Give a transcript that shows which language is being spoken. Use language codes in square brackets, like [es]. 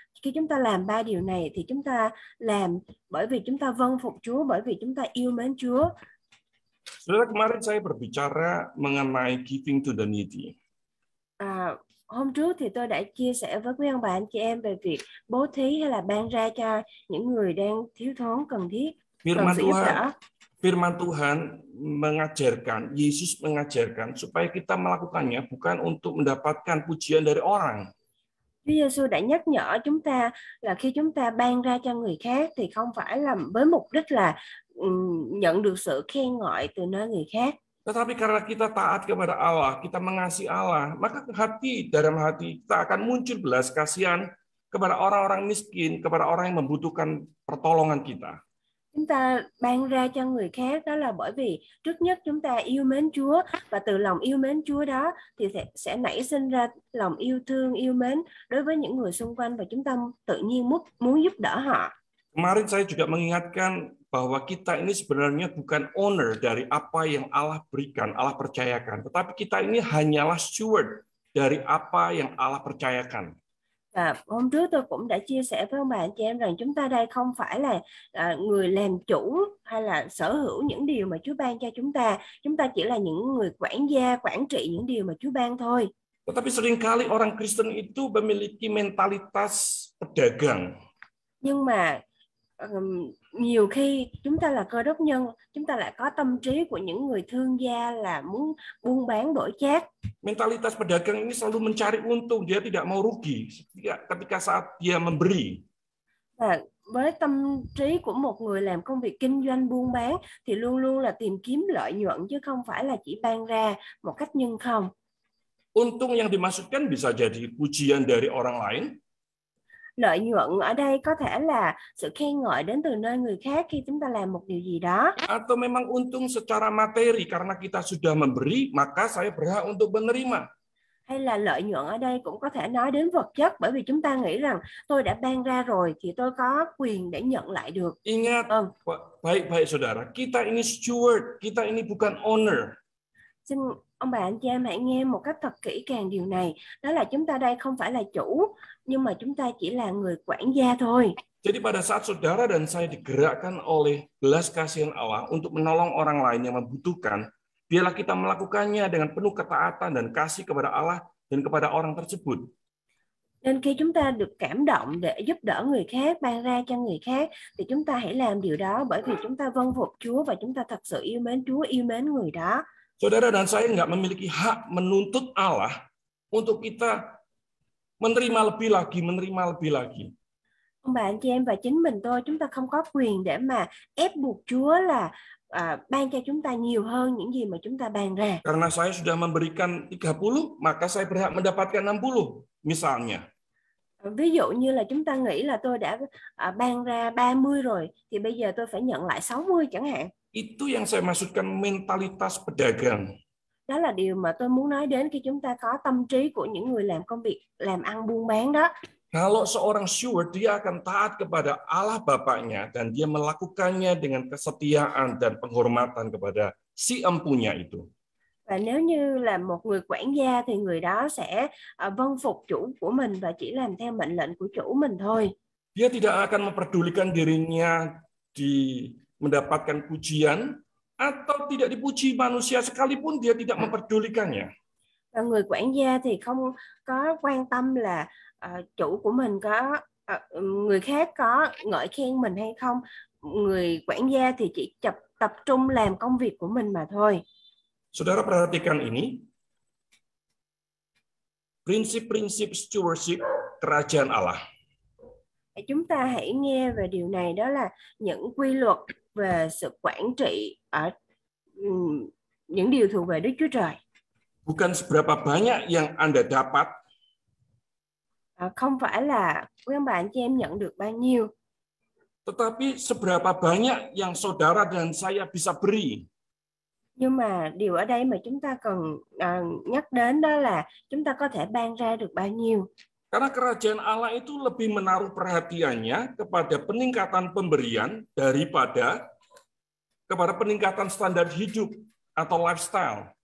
[vi] Khi chúng ta làm ba điều này thì chúng ta làm bởi vì chúng ta vâng phục Chúa, bởi vì chúng ta yêu mến Chúa. [id] Sudah kemarin saya berbicara mengenai [en] giving to the needy. [vi] Hôm trước thì tôi đã chia sẻ với quý ông bà anh chị em về việc bố thí hay là ban ra cho những người đang thiếu thốn, cần thiết, cần sự giúp đỡ. [id] Firman Tuhan mengajarkan, Yesus mengajarkan supaya kita melakukannya bukan untuk mendapatkan pujian dari orang. [vi] Chúa Giêsu đã nhắc nhở chúng ta là khi chúng ta ban ra cho người khác thì không phải là với mục đích là nhận được sự khen ngợi từ nơi người khác. [id] Tetapi karena kita taat kepada Allah, kita mengasihi Allah, maka hati dalam hati kita akan muncul belas kasihan kepada orang-orang miskin, kepada orang yang membutuhkan pertolongan kita. [vi] chúng ta ban ra cho người khác, đó là bởi vì trước nhất chúng ta yêu mến Chúa, và từ lòng yêu mến Chúa đó thì sẽ nảy sinh ra lòng yêu thương, yêu mến đối với những người xung quanh, và chúng ta tự nhiên muốn giúp đỡ họ. [id] Kemarin saya juga mengingatkan bahwa kita ini sebenarnya bukan owner dari apa yang Allah berikan, Allah percayakan, tetapi kita ini hanyalah steward dari apa yang Allah percayakan. [vi] Và hôm trước tôi cũng đã chia sẻ với ông bà anh chị em rằng chúng ta đây không phải là người làm chủ hay là sở hữu những điều mà Chúa ban cho chúng ta. Chúng ta chỉ là những người quản gia, quản trị những điều mà Chúa ban thôi. [id] Tetapi seringkali orang Kristen itu memiliki mentalitas pedagang. [vi] Nhưng mà nhiều khi chúng ta là cơ đốc nhân, chúng ta lại có tâm trí của những người thương gia là muốn buôn bán đổi chác. [id] Mentalitas pedagang ini selalu mencari untung, dia tidak mau rugi ketika saat dia memberi. [vi] Và với tâm trí của một người làm công việc kinh doanh buôn bán thì luôn luôn là tìm kiếm lợi nhuận chứ không phải là chỉ ban ra một cách nhân không. [id] Untung yang dimaksudkan bisa jadi pujian dari orang lain. [vi] Lợi nhuận ở đây có thể là sự khen ngợi đến từ nơi người khác khi chúng ta làm một điều gì đó. [id] Atau memang untung secara materi karena kita sudah memberi, maka saya berhak untuk menerima. [vi] Hay là lợi nhuận ở đây cũng có thể nói đến vật chất, bởi vì chúng ta nghĩ rằng tôi đã ban ra rồi thì tôi có quyền để nhận lại được. [id] Ingat, baik-baik saudara, kita ini steward, kita ini bukan owner. [vi] Xin ông bà anh chị em hãy nghe một cách thật kỹ càng điều này, đó là chúng ta đây không phải là chủ, nhưng mà chúng ta chỉ là người quản gia thôi. [id] Jadi pada saat saudara dan saya digerakkan oleh belas kasihan Allah untuk menolong orang lain yang membutuhkan, biarlah kita melakukannya dengan penuh ketaatan dan kasih kepada Allah dan kepada orang tersebut. [vi] Nên khi chúng ta được cảm động để giúp đỡ người khác, ban ra cho người khác, thì chúng ta hãy làm điều đó bởi vì chúng ta vâng phục Chúa và chúng ta thật sự yêu mến Chúa, yêu mến người đó. [id] Saudara dan saya nggak memiliki hak menuntut Allah untuk kita menerima lebih lagi, menerima lebih lagi. [vi] Ông bà anh chị em và chính mình tôi, chúng ta không có quyền để mà ép buộc Chúa là ban cho chúng ta nhiều hơn những gì mà chúng ta ban ra. [id] Karena saya sudah memberikan 30, maka saya berhak mendapatkan 60, misalnya. [vi] Ví dụ như là chúng ta nghĩ là tôi đã ban ra 30 rồi, thì bây giờ tôi phải nhận lại 60 chẳng hạn. [id] Itu yang saya maksudkan mentalitas pedagang. [vi] Đó là điều mà tôi muốn nói đến khi chúng ta có tâm trí của những người làm công việc làm ăn buôn bán đó. [id] Kalau seorang steward, dia akan taat kepada Allah Bapaknya dan dia melakukannya dengan kesetiaan dan penghormatan kepada si empunya itu. [vi] Và nếu như là một người quản gia thì người đó sẽ vâng phục chủ của mình và chỉ làm theo mệnh lệnh của chủ mình thôi. [id] Dia tidak akan memperdulikan dirinya di mendapatkan pujian atau tidak dipuji manusia sekalipun, dia tidak memperdulikannya. [vi] Và người quản gia thì không có quan tâm là chủ của mình có người khác có ngợi khen mình hay không. Người quản gia thì chỉ tập trung làm công việc của mình mà thôi. [id] Saudara perhatikan ini. Prinsip-prinsip stewardship kerajaan Allah. [vi] Chúng ta hãy nghe về điều này, đó là những quy luật về sự quản trị ở những điều thuộc về Đức Chúa Trời. [id] Bukan seberapa banyak yang Anda dapat. [vi] Không phải là quý ông bà anh chị em nhận được bao nhiêu. [id] Tetapi seberapa banyak yang saudara dan saya bisa beri. [vi] Nhưng mà điều ở đây mà chúng ta cần nhắc đến đó là chúng ta có thể ban ra được bao nhiêu. [id] Karena kerajaan Allah itu lebih menaruh perhatiannya kepada peningkatan pemberian daripada kepada peningkatan standar hidup atau lifestyle.